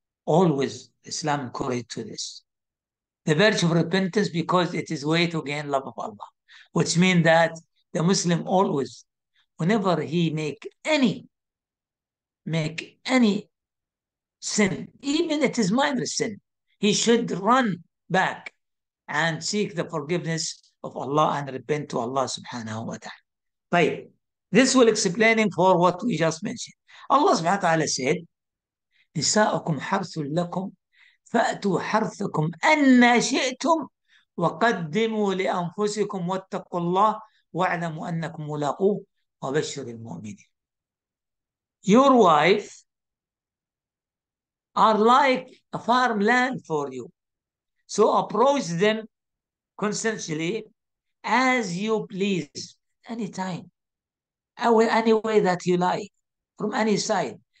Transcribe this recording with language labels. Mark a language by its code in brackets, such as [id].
[en] Always Islam encouraged to this. The virtue of repentance, because it is way to gain love of Allah, which means that the Muslim always, whenever he make any sin, even it is minor sin, he should run back and seek the forgiveness of Allah and repent to Allah subhanahu wa ta'ala. Right. This will explain for what we just mentioned. Allah subhanahu wa ta'ala said, [ar] نساؤكم حرث لكم فأتوا حرثكم أن شئتم وقدموا لأنفسكم واتقوا الله واعلموا أنكم ملاقوه وبشر المؤمنين. [en] Your wife are like a farmland for you. So approach them consensually as you please, anytime, any way that you like, from any side.